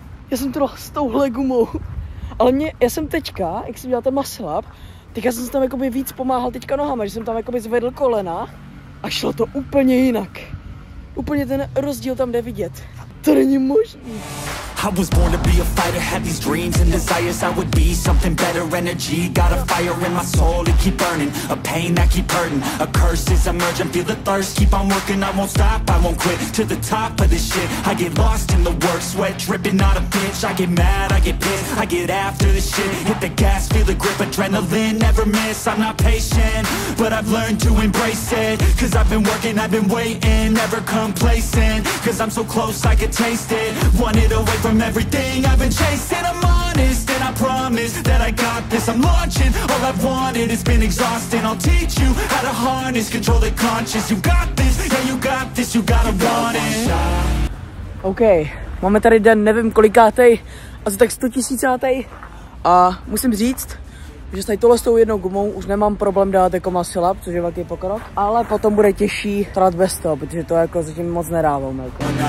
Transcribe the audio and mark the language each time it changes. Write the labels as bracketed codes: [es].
[cs] Já jsem to dal s touhle gumou, ale já jsem teďka, jak jsem dělal ten muscle up, teďka jsem se tam jakoby víc pomáhal teďka nohama, že jsem tam jakoby zvedl kolena a šlo to úplně jinak. Úplně ten rozdíl tam jde vidět. To není možný. [en] I was born to be a fighter, had these dreams and desires. I would be something better, energy got a fire in my soul, it keep burning, a pain that keep hurting, a curse is emerging, feel the thirst, keep on working, I won't stop, I won't quit, to the top of this shit, I get lost in the work, sweat dripping out a bitch, I get mad, I get pissed, I get after this shit, hit the gas, feel the grip, adrenaline, never miss, I'm not patient, but I've learned to embrace it, cause I've been working, I've been waiting, never complacent, cause I'm so close, I could taste it, want it away. From everything I've been chasing, I'm honest and I promise that I got this. I'm launching, all I've wanted has been exhausting. I'll teach you how to harness, control the conscious. You got this, yeah, you got this, you gotta want it. [cs] OK, máme tady den, nevím kolikátej, asi tak 100 000. A musím říct, že tady tohle s tou jednou gumou už nemám problém dát jako muscle up, což je velký pokrok. Ale potom bude těžší trát bez toho, protože to jako zatím moc nedávám. Jako.